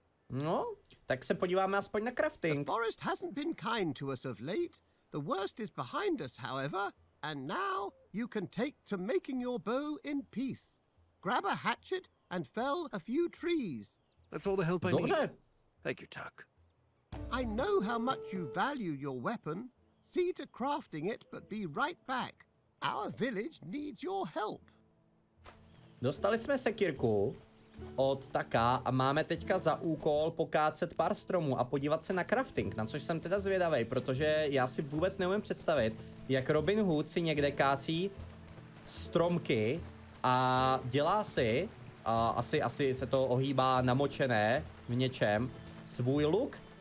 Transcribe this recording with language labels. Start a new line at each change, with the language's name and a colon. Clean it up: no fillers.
Czech: No, tak se podíváme aspoň na crafting.
English: The forest hasn't been kind to us of late. The worst is behind us, however. And now you can take to making your bow in peace. Grab a hatchet and fell a few trees. That's all the help I
Czech: Dobře.
English: Need. Thank you, Tuck. I know how much you value your weapon. See to crafting it, but be right back. Our village needs your help.
Czech: Dostali jsme sekírku od Taka a máme teďka za úkol pokácet pár stromů a podívat se na crafting, na což jsem teda zvědavej, protože já si vůbec neumím představit, jak Robin Hood si někde kácí stromky a dělá si, a asi se to ohýbá namočené v něčem, svůj luk.